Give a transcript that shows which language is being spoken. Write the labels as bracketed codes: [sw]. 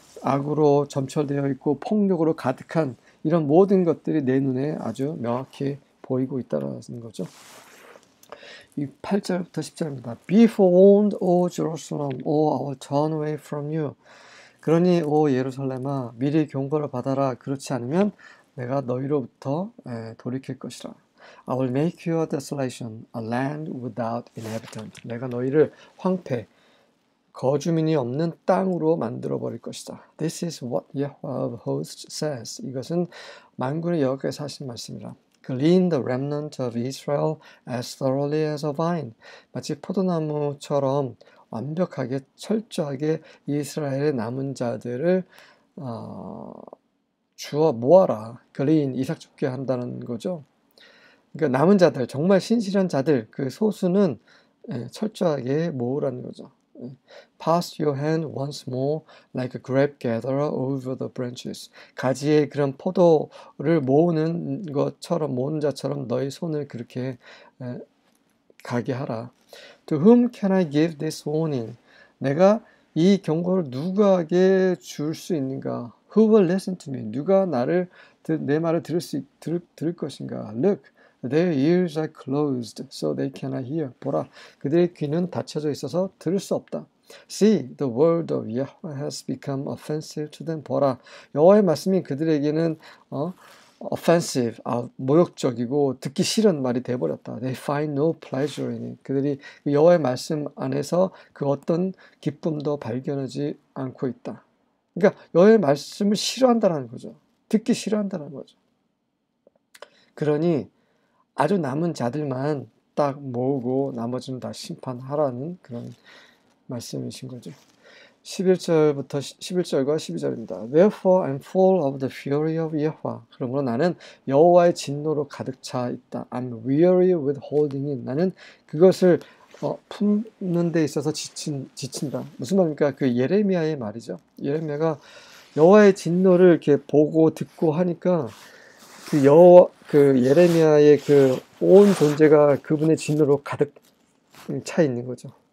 [ko] 악으로 점철되어 있고 폭력으로 가득한 이런 모든 것들이 내 눈에 아주 명확히 보이고 있다는 거죠. 이 8절부터 10절입니다. [en] Be forewarned, O Jerusalem, O I will turn away from you. [ko] 그러니 오 예루살렘아, 미리 경고를 받아라. 그렇지 않으면 내가 너희로부터 돌이킬 것이라. [en] I will make you a desolation, a land without inhabitant. [ko] 내가 너희를 황폐, 거주민이 없는 땅으로 만들어 버릴 것이다. [en] This is what Yahweh of hosts says. [ko] 이것은 만군의 여호와께서 하신 말씀이라. [en] Glean the remnant of Israel as thoroughly as a vine. [ko] 마치 포도나무처럼 완벽하게 철저하게 이스라엘의 남은 자들을 주워 모아라. Glean, 이삭줍게 한다는 거죠. 그러니까 남은 자들, 정말 신실한 자들, 그 소수는 철저하게 모으라는 거죠. [en] Pass your hand once more like a grape gatherer over the branches. [ko] 가지의 그런 포도를 모으는 것처럼, 모으는 자처럼 너희 손을 그렇게 가게 하라. [en] To whom can I give this warning? [ko] 내가 이 경고를 누구에게 줄수 있는가? [en] Who will listen to me? [ko] 누가 나를 내 말을 들을 것인가? [en] Look, their ears are closed, so they cannot hear. [ko] 보라, 그들의 귀는 닫혀져 있어서 들을 수 없다. [en] See, the word of Yahweh has become offensive to them. [ko] 보라, 여호와의 말씀이 그들에게는 offensive, 모욕적이고 듣기 싫은 말이 되어버렸다. [en] They find no pleasure in it. [ko] 그들이 여호와의 말씀 안에서 그 어떤 기쁨도 발견하지 않고 있다. 그러니까 여호와의 말씀을 싫어한다는 거죠. 듣기 싫어한다는 거죠. 그러니 아주 남은 자들만 딱 모으고 나머지는 다 심판하라는 그런 말씀이신 거죠. 11절과 12절입니다. Therefore I'm full of the fury of Yahweh. 그러므로 나는 여호와의 진노로 가득 차 있다. I'm weary with holding in. 나는 그것을 품는 데 있어서 지친다. 무슨 말입니까? 그 예레미야의 말이죠. 예레미야가 여호와의 진노를 이렇게 보고 듣고 하니까 그 예레미야의 그온 존재가 그분의 진노로 가득 차 있는 거죠.